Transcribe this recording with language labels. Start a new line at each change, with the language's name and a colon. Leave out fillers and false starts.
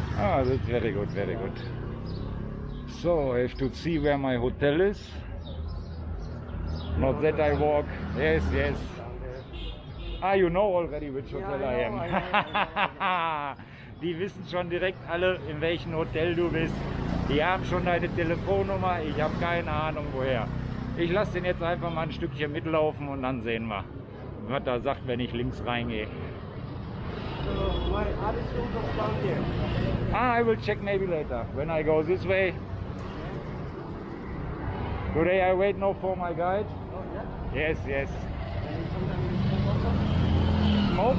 English: Ah, that's very good, very good. So I have to see where my hotel is. Not that I walk. Yes, yes. Ah, you know already which hotel I am.
German: Die wissen schon direkt alle, in welchem Hotel du bist. Die haben schon deine Telefonnummer. Ich habe keine Ahnung, woher. Ich lasse den jetzt einfach mal ein Stückchen mitlaufen und dann sehen wir, was er sagt, wenn ich links reingehe.
English: So, my attitude is down here. Ah, I will check maybe later, when I go this way. Today I wait now for my guide. Oh, yeah? Yes, yes. And sometimes you smoke also?